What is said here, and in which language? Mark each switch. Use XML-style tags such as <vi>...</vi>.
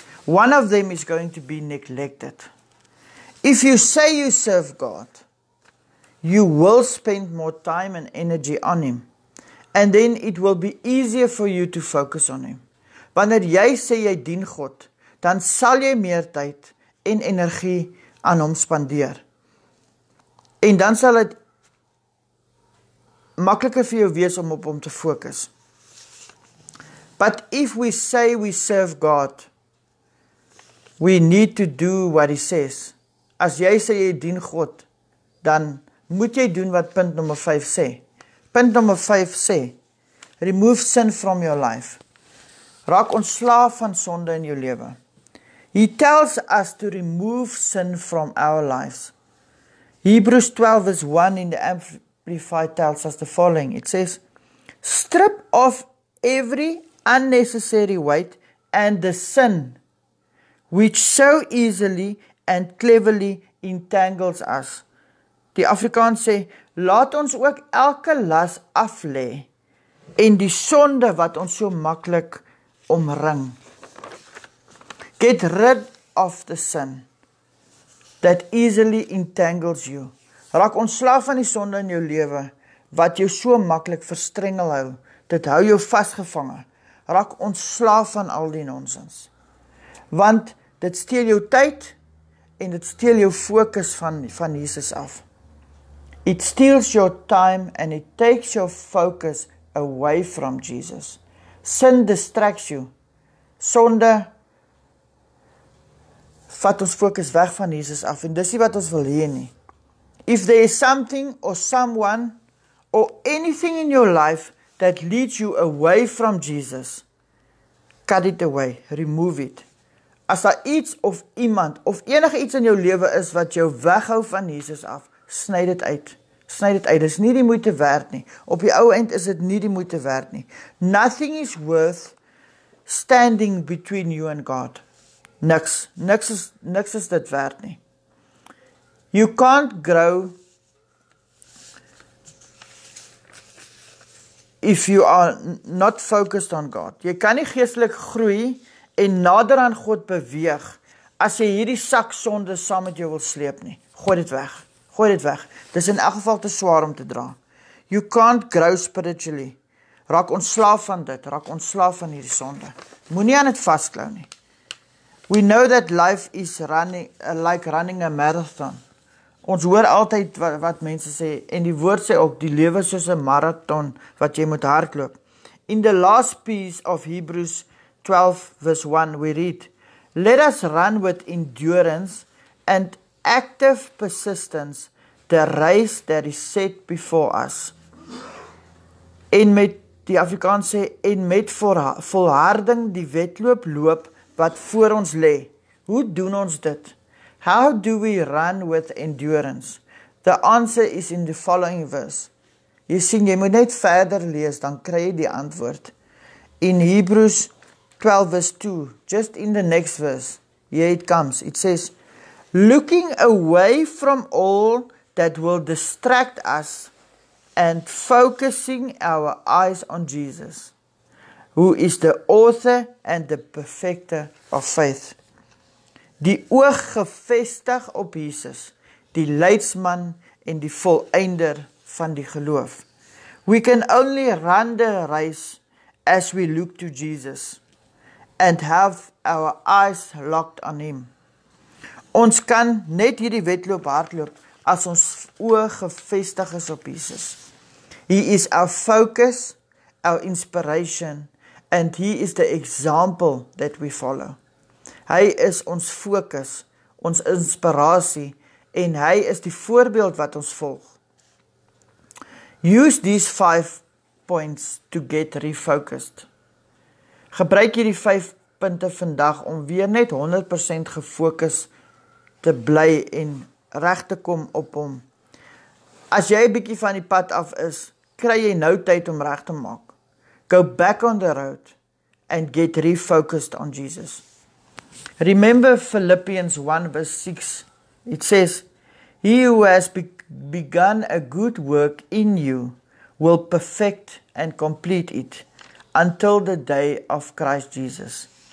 <en>One of them is going to be neglected. If you say you serve God, you will spend more time and energy on him. And then it will be easier for you to focus on him.</en> <af>Wanneer jy sê jy dien God, dan sal jy meer tyd en energie aan hom spandeer. En dan sal dit makliker vir jou wees om op hom te fokus.</af> <en>But if we say we serve God, we need to do what he says.</en> <af>As jy sê jy dien God, dan moet jy doen wat punt nummer 5 sê. Punt nummer 5 sê,</af> <en>remove sin from your life.</en> <af>Raak ontslaaf van sonde in jou lewe.</af> <en>He tells us to remove sin from our lives. Hebrews 12 verse 1 in the Amplified tells us the following. It says, strip off every unnecessary weight and the sin which so easily and cleverly entangles us.</en> <af>Die Afrikaans sê, laat ons ook elke las af lê en die sonde wat ons so maklik omring.</af> <en>Get rid of the sin that easily entangles you.</en> <af>Raak ontslaaf van die sonde in jou lewe wat jou so maklik verstrengel hou. Dit hou jou vasgevange. Raak ontslaaf van al die nonsens. Want dit steel jou tyd en dit steel jou fokus van Jesus af.</af> <en>It steals your time and it takes your focus away from Jesus. Sin distracts you.</en> <af>Sonde vat ons fokus weg van Jesus af en dis nie wat ons wil hê nie.</af> <en>If there is something or someone or anything in your life that leads you away from Jesus, cut it away, remove it.</en> <af>As daar iets of iemand of enige iets in jou lewe is wat jou weghou van Jesus af, sny dit uit. Snyd dit uit, dit is nie die moeite werd nie. Op die ou eind is dit nie die moeite werd nie.</af> <en>Nothing is worth standing between you and God.</en> <af>Niks. Niks is dit werd nie.</af> <en>You can't grow if you are not focused on God.</en> <af>Jy kan nie geestelik groei en nader aan God beweeg as jy hierdie sak sonde saam met jou wil sleep nie. Gooi dit weg. Gooi dit weg. Dit is in elk geval te swaar om te dra.</af> <en>You can't grow spiritually.</en> <af>Raak ontslaaf van dit. Raak ontslaaf van hierdie sonde. Moet nie aan dit vastklou nie.</af> <en>We know that life is running like running a marathon.</en> <af>Ons hoor altyd wat mense sê, en die woord sê ook, die lewe soos 'n marathon wat jy moet hardloop.</af> <en>In the last piece of Hebrews 12 verse 1 we read, let us run with endurance and active persistence the race that is set before us.</en> <af>En met die Afrikaans sê, en met volharding die wedloop loop wat voor ons lê. Hoe doen ons dit?</af> <en>How do we run with endurance? The answer is in the following verse.</en> <af>Jy sien, jy moet net verder lees, dan kry jy die antwoord.</af> <en>In Hebrews 12 verse 2, just in the next verse, here it comes. It says, looking away from all that will distract us and focusing our eyes on Jesus, who is the author and the perfecter of faith.</en> <af>Die oog gevestig op Jesus, die leidsman en die voleinder van die geloof.</af> <en>We can only run the race as we look to Jesus and have our eyes locked on him.</en> <af>Ons kan net hierdie wedloop hardloop as ons oog gevestig is op Jesus.</af> <en>He is our focus, our inspiration, and he is the example that we follow.</en> <af>Hy is ons fokus, ons inspirasie en hy is die voorbeeld wat ons volg.</af> <en>Use these 5 points to get refocused.</en> <af>Gebruik hierdie 5 punte vandag om weer net 100% gefokus te bly en reg te kom op hom. As jy 'n bietjie van die pad af is, kry jy nou tyd om reg te maak.</af> <en>Go back on the road and get refocused on Jesus. Remember Philippians 1 verse 6. It says, he who has begun a good work in you will perfect and complete it until the day of Christ Jesus.</en>